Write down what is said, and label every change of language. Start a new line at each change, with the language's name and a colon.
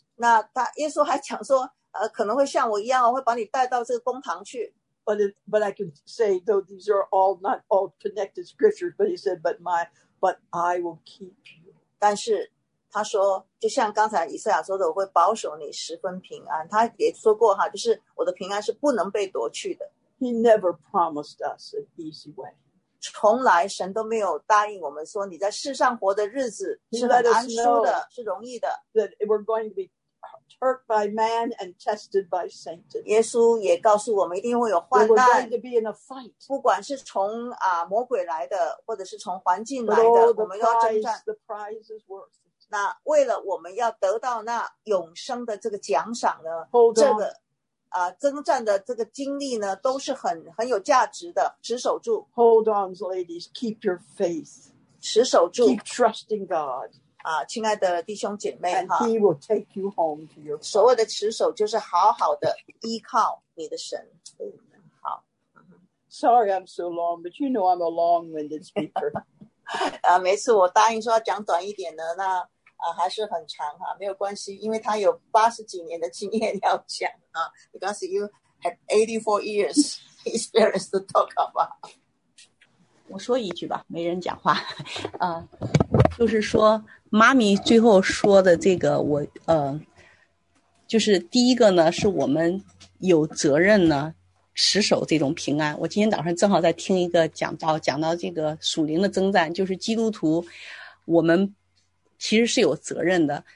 Chinese: 那他耶稣还讲说，可能会像我一样，会把你带到这个公堂去。
English: But I can say though these are all not all connected scriptures. But he said, but I will keep you.
Chinese: 但是他说，就像刚才以赛亚说的，我会保守你十分平安。他也说过哈，就是我的平安是不能被夺去的。
English: He never promised us an easy way.
Chinese: 从来神都没有答应我们说你在世上活的日子是很安舒的，是容易的。
English: That we're going to be hurt by man and tested by Satan.
Chinese: 耶稣也告诉我们一定会有患难。
English: We're going to be in a fight.
Chinese: 不管是从魔鬼来的，或者是从环境来的，我们要征战。
English: The prize is worth it.
Chinese: 那为了我们要得到那永生的这个奖赏呢？
English: Hold on.
Chinese: 这个征战的这个经历呢，都是很有价值的。持守住
English: ，Hold on, ladies, keep your faith.
Chinese: 持守住
English: ，keep trusting God.
Chinese: 亲爱的弟兄姐妹
English: ，and He will take you home to your.
Chinese: 所谓的持守，就是好好的依靠你的神。好
English: ，Sorry, I'm so long, but you know I'm a long-winded speaker.
Chinese: 每次我答应说要讲短一点的，那还是很长哈，没有关系，因为他有八十几年的经验要讲。
English: Because you had 84 years experience to talk about.
Chinese: 我说一句吧，没人讲话。就是说，妈咪最后说的这个，我就是第一个呢，是我们有责任呢，持守这种平安。我今天早上正好在听一个讲到这个属灵的征战，就是基督徒，我们其实是有责任的。